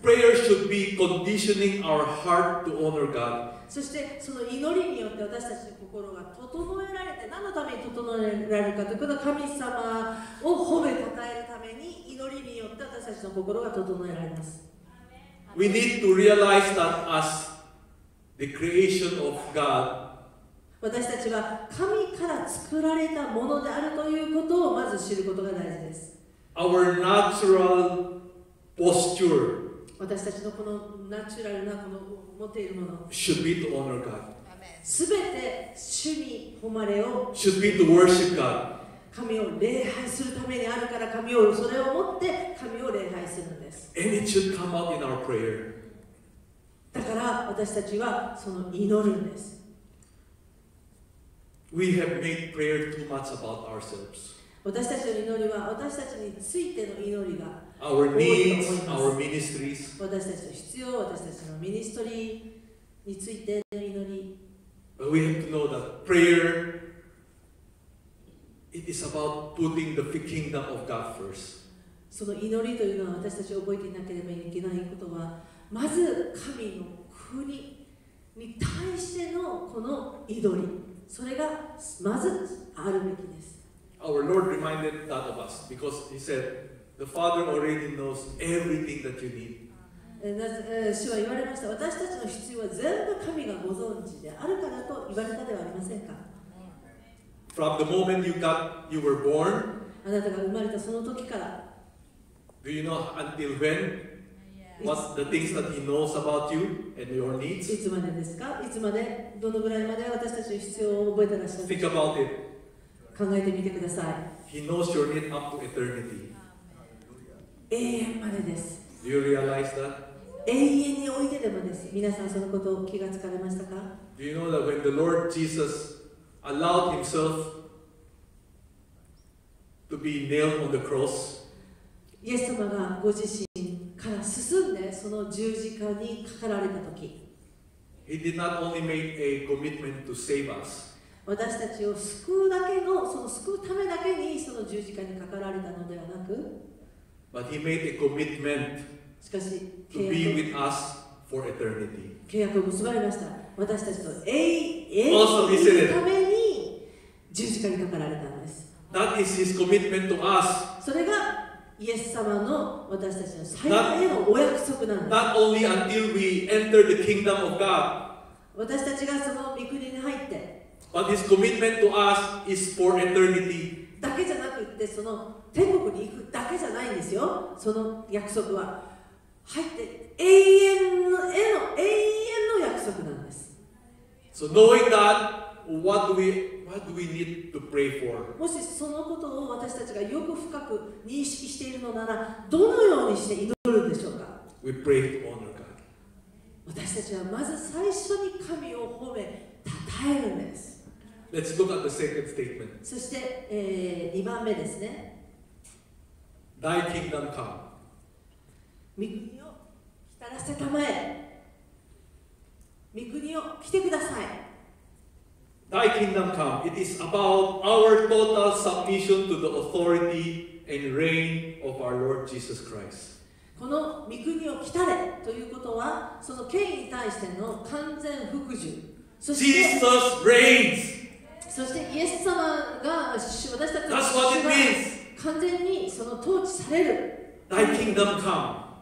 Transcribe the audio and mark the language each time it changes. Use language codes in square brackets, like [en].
[en] Prayer should be conditioning our heart to honor God. [ja] そしてその祈りによって私たちの心が整えられて、何のために整えられるかということは神様を褒め称えるために祈りによって私たちの心が整えられます。 [en] We need to realize that as the creation of God, [ja] 私たちは神から作られたものであるということをまず知ることが大事です。 [en] Our natural posture, [ja] 私たちのこのナチュラルなこの持っているもの、 [en] should be to honor God. [ja] すべて主に誉れを、 [en] should be to worship God. [ja] 神を礼拝するためにあるから神をそれを持って神を礼拝するのです。 [en] And it should come out in our prayer. [ja] だから私たちはその祈るんです。 [en] We have made prayer too much about ourselves. [ja] 私たちの祈りは私たちについての祈りが [en] Our needs, our ministries. [ja] 私たちの必要、私たちのミニストリーについての祈り。 [en] But we have to know that prayer it is about putting the kingdom of God first. [ja] その祈りというのは私たちを覚えていなければいけないことはまず神の国に対してのこの祈りそれがまずあるべきです。 [en] Our Lord reminded that of us because He said, "The Father already knows everything that you need." [ja] 主は言われました。私たちの必要は全部神がご存知であるからと言われたではありませんか。 [en] From the moment you were born, [ja] あなたが生まれたその時から。 [en] Do you know until when? What's the things that he knows about you and your needs? [ja] いつまでですか？いつまで？どのぐらいまで私たちの必要を覚えてらっしゃる？ [en] Think about it. [ja] 考えてみてください。 [en] He knows your need up to eternity. [ja] 永遠までです。 [en] Do you realize that? [ja] 永遠においてでもです。皆さんそのことを気がつかれましたか？ [en] Do you know that when the Lord Jesus allowed himself to be nailed on the cross? [ja] イエス様がご自身から進んでその十字架にかかられたとき、 [en] He did not only make a commitment to save us. [ja] 私たちを救うだけの、その救うためだけにその十字架にかかられたのではなく、 [en] But he made a commitment [ja] しかし [en] to be with us for eternity. [ja] 契約を結ばれました。私たちと永遠にするために十字架にかかられたのです。 [en] That is his commitment to us. [ja] それがイエス様の私たちの最大のお約束なんです。 [en] Not only until we enter the kingdom of God. [ja] 私たちがその御国に入って。 [en] But his commitment to us is for eternity. [ja] だけじゃなくて、その天国に行くだけじゃないんですよ。その約束は入って永遠の約束なんです。 [en] So knowing that, what do we need to pray for? [ja] もしそのことを私たちがよく深く認識しているのならどのようにして祈るんでしょうか? [en] We pray to honor God. [ja] 私たちはまず最初に神を褒め称えるんです。 [en] Let's look at the second statement. [ja] そして、2番目ですね。 [en] Thy kingdom come. [ja] 御国を来たらせたまえ。御国を来てください。 [en] Thy kingdom come. It is about our total submission to the authority and reign of our Lord Jesus Christ. [ja] この御国を来たれということは、その権威に対しての完全服従。 [en] Jesus reigns. [ja] そしてイエス様が私たちの [en] That's what it means. [ja] 完全にその統治される。 [en] Thy kingdom come.